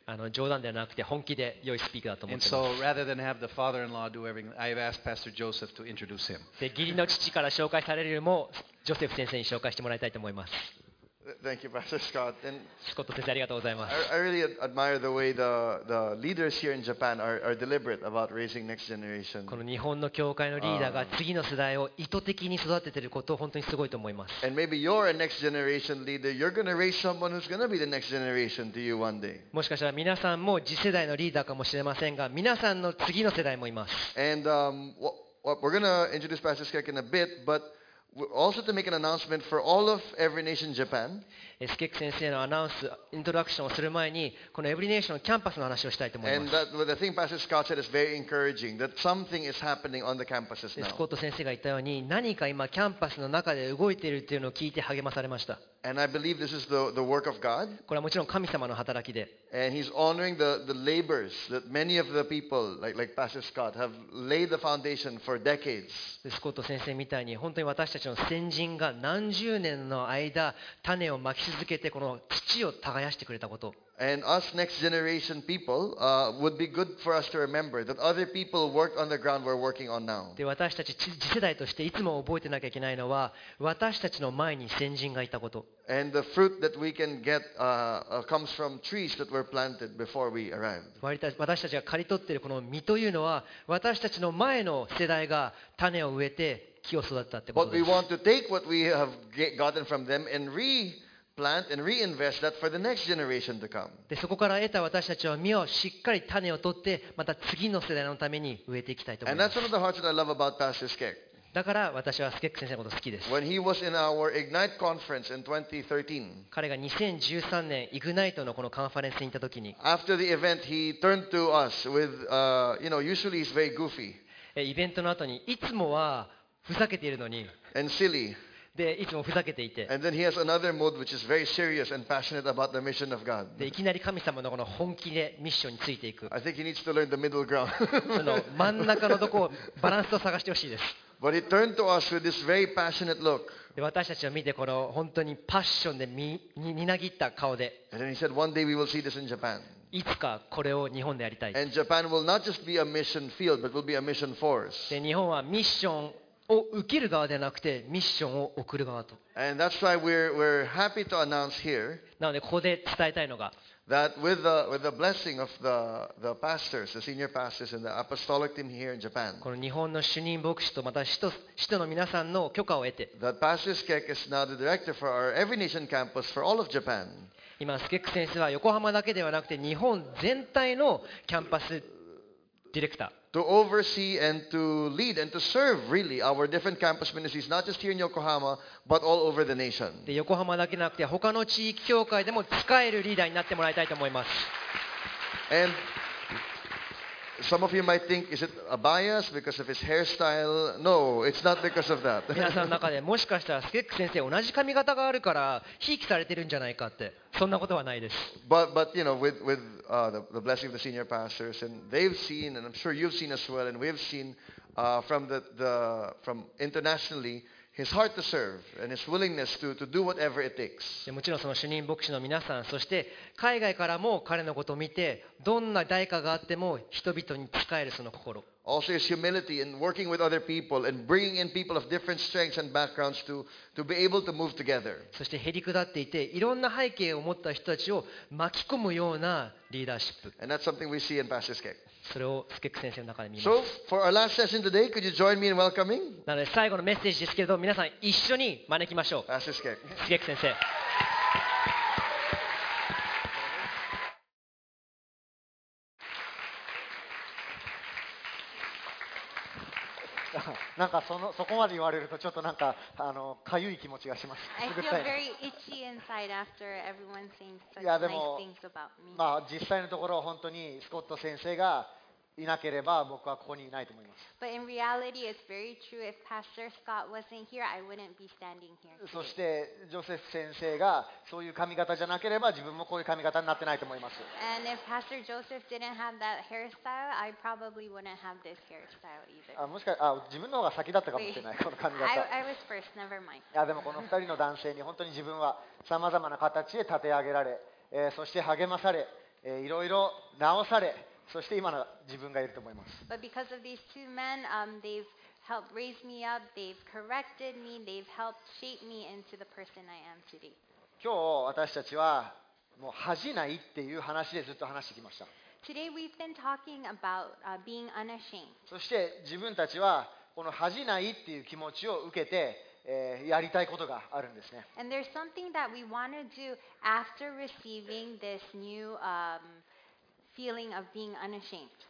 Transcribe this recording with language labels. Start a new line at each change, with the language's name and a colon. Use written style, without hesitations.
Japanese: あの冗談ではなくて本気で良いスピーカーだと思ってます。
English: And so rather than have the father-in-law do everything, I've asked Pastor Joseph to introduce him.
Japanese: で、義理の父から紹介されるよりもジョセフ先生に紹介してもらいたいと思います。
English: Thank you, Pastor Scott. And
Japanese: Scott 先生ありがとうございます。
English: I really admire the way the leaders here in Japan are deliberate about raising next generation.
Japanese: この日本の教会のリーダーが次の世代を意図的に育てていることを本当にすごいと思います。
English: And maybe you're a next generation leader. You're going to raise someone who's going to be the next generation to you one day.
Japanese: もしかしたら皆さんも次世代のリーダーかもしれませんが、皆さんの次の世代もいます。
English: And we're going to introduce Pastor Scott in a bit, but We're also to make an announcement for all of Every Nation Japan.
Japanese: Skek 先生のアナウンス、イントロダクションをする前に、この Every Nation のキャンパスの話をしたいと思います。
English: And that, well, the thing Pastor Scott said is very encouraging. That something is happening on the campuses now.
Japanese: スコット先生が言ったように、何か今キャンパスの中で動いているというのを聞いて励まされました。
English: And I believe this is the work of God.
Japanese: これはもちろん神様の働きで。
English: And He's honoring the labors that many of the people like Pastor Scott have laid the foundation for decades.
Japanese: スコット先生みたいに本当に私たちの先人が何十年の間種をまき続けてこの土を耕してくれたこと。
English: And us next generation people would be good for us to remember that other people worked on the ground we're working on now.
Japanese: で私たち次世代としていつも覚えてなきゃいけないのは私たちの前に先人がいたこと。
English: And the fruit that we can get comes from trees that were planted before we arrived.
Japanese: 私たちが刈り取っているこの実というのは私たちの前の世代が種を植えて木を育ったってことです。
English: But we want to take what we have gotten from them and replant and reinvest that for the next generation to come.
Japanese: で、そこから得た私たちは実をしっかり種を取ってまた次の世代のために植えていきたいと思います。
English: And that's one of the hearts that I love about Pastor Skek.
Japanese: だから私はスケック先生のこと好きです。
English: When he was in our Ignite conference in 2013,
Japanese: 彼が2013年 Ignite のこのカンファレンスに行った時に、
English: After the event, he turned to us with, you know, usually he's very goofy.
Japanese: イベントの後にいつもはふざけているのに、
English: and silly.
Japanese: でいつもふざけていて、
English: and then he has another mode which is very serious and passionate about the mission of God.
Japanese: でいきなり神様のこの本気でミッションについていく。
English: I think he needs to learn the middle ground.
Japanese: その真ん中のとこをバランスを探してほしいです。
English: But he turned to us with this very passionate look.
Japanese: で私たちを見てこの本当にパッションでみなぎった顔で、
English: and then he said, one day we will see this in Japan.
Japanese: いつかこれを日本でやりたい。
English: And Japan will not just be a mission field, but will be a mission force.
Japanese: で日本はミッションを受ける側ではなくてミッションを送る側と。
English: And that's why we're happy to announce here.
Japanese: なのでここで伝えたいのが、
English: that with the blessing of the pastors, the senior pastors and the apostolic team here in Japan.
Japanese: この日本の主任牧師とまた使徒の皆さんの許可を得て、
English: that Pastor Skek is now the director for our Every Nation campus for all of Japan.
Japanese: 今スケック先生は横浜だけではなくて日本全体のキャンパスディレクター。
English: To oversee and to lead and to serve really our different campus ministries, not just here in Yokohama, but all over the nation.
Japanese: で横浜だけなくて他の地域教会でも使えるリーダーになってもらいたいと思います。
English: And some of you might think, is it a bias because of his hairstyle? No, it's not because of that.
Japanese: 皆さんの中でもしかしたらスケック先生同じ髪型があるから贔屓されてるんじゃないかって。そんなことはないです。
English: But you know, with the blessing of the senior pastors, and they've seen, and I'm sure you've seen as well, and we've seen from internationally, his heart to serve and his willingness to do whatever it takes.
Japanese: もちろんその主任牧師の皆さん、そして海外からも彼のことを見て、どんな代価があっても人々に仕えるその心。
English: also his humility in working with other people and bringing in people of different strengths and backgrounds to be able to move together.
Japanese: そしてへりくだっていて、いろんな背景を持った人たちを巻き込むようなリーダーシップ。
English: And that's something we see in Pastor Skek.
Japanese: それをスケック先生の中で見ます
English: So for our last session today, could you join me in welcoming?
Japanese: なので最後のメッセージですけれど、皆さん一緒に招きましょう。
English: Pastor Skek.
Japanese: スケック先生。なんか そこまで言われるとちょっとなんかかゆい気持ちがします。
English: I feel very itchy inside after everyone saying such nice things about me.
Japanese: いやでも、まあ、実際のところは本当にスコット先生がいなければ僕はここにいないと思います。
English: But in reality, it's very true. If Pastor Scott wasn't here, I wouldn't be standing here today.
Japanese: そしてジョセフ先生がそういう髪型じゃなければ自分もこういう髪型になってないと思います。
English: And if Pastor Joseph didn't have that hairstyle, I probably wouldn't have this hairstyle either.
Japanese: あ、もしかしたら自分の方が先だったかもしれない、この髪型。
English: I was first, never mind.
Japanese: いやでもこの二人の男性に本当に自分はさまざまな形で立て上げられ、そして励まされ、いろいろ直され、そして今の自分がいると思います。
English: But because of these two men, they've helped raise me up, they've corrected me, they've helped shape me into the person I am today.
Japanese: 今日私たちはもう恥ないっていう話でずっと話してきました。
English: Today we've been talking about being unashamed.
Japanese: そして自分たちはこの恥ないっていう気持ちを受けて、やりたいことがあるんですね。
English: And there's something that we want to do after receiving this new feeling of being unashamed.